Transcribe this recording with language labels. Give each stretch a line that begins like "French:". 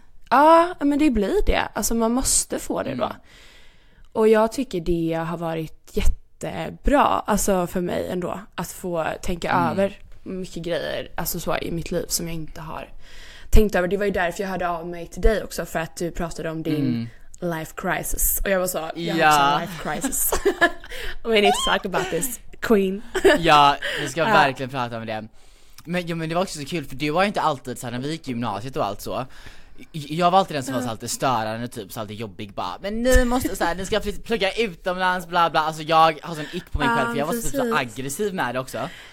Swedish: Ja, men det blir det. Alltså man måste få det då. Och jag tycker det har varit jätte bra, alltså för mig ändå, att få tänka över mycket grejer, alltså så i mitt liv som jag inte har tänkt över. Det var ju därför jag hörde av mig till dig också, för att du pratade om din
English: life crisis.
Swedish: Och jag var så, jag har också en
English: life crisis. We need to talk about this, queen.
Swedish: Ja, vi ska verkligen prata om det. Men, ja, men det var också så kul, för det var inte alltid så här, när vi gick i gymnasiet och allt så, jag var alltid den som var så alltid störande, typ så alltid jobbig, bara, men ni måste så här, ni ska plugga utomlands, bla bla. Alltså jag har sån ick på mig själv, för jag var så aggressiv med det också.